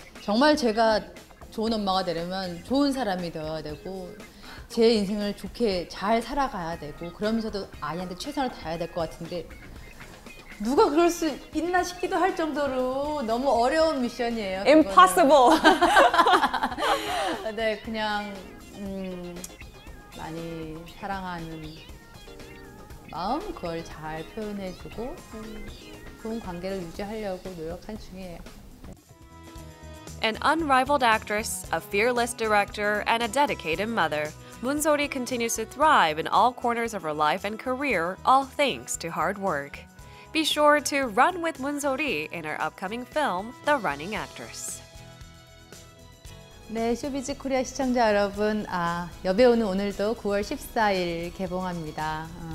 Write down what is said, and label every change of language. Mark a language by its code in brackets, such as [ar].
[ko] 정말 제가 좋은 엄마가 되려면 좋은 사람이 되어야 되고 제 인생을 좋게 잘 살아가야 되고 그러면서도 아이한테 최선을 다해야 될 것 같은데 누가 그럴 수 있나 싶기도 할 정도로 너무 어려운 미션이에요. [en] Impossible! [ko] 네, 그냥 많이 사랑하는 마음 그걸 잘 표현해주고 좋은 관계를 유지하려고 노력한 중이에요. [en] An unrivaled actress, a fearless director, and a dedicated mother. 문소리 continues to thrive in all corners of her life and career, all thanks to hard work. Be sure to run with 문소리 in her upcoming film, The Running Actress. [ko] 네, 쇼비즈 코리아 시청자 여러분, 여배우는 오늘도 9월 14일 개봉합니다.